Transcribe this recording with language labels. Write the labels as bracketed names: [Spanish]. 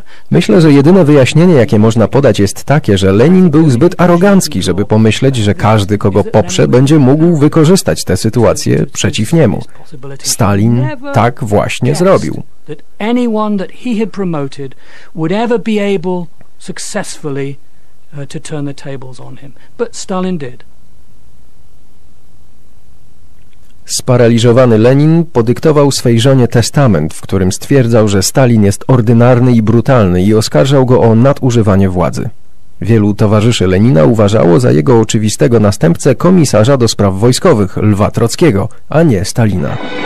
[Polish] Myślę, że jedyne wyjaśnienie, jakie można podać, jest takie, że Lenin był zbyt arogancki, żeby pomyśleć, że każdy, kogo poprze, będzie mógł wykorzystać tę sytuację przeciw niemu. Stalin tak właśnie zrobił. [English] That anyone that he had promoted would ever be able successfully to turn the tables on him. But Stalin did. [Polish] Sparaliżowany Lenin podyktował swej żonie testament, w którym stwierdzał, że Stalin jest ordynarny i brutalny i oskarżał go o nadużywanie władzy. Wielu towarzyszy Lenina uważało za jego oczywistego następcę komisarza do spraw wojskowych, Lwa Trockiego, a nie Stalina.